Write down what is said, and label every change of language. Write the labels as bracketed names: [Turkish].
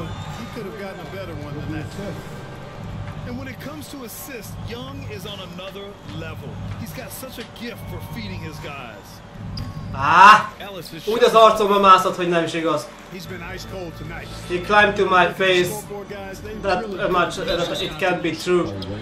[English] He could have gotten a better one than that. And when it comes to assists, Young is on another level. He's got such a gift for feeding his guys. Ah! [Hungarian] Úgy az arcomba mászott, hogy nem is igaz. [English] He's been ice cold tonight. He climbed to my face. That much, it can't be true.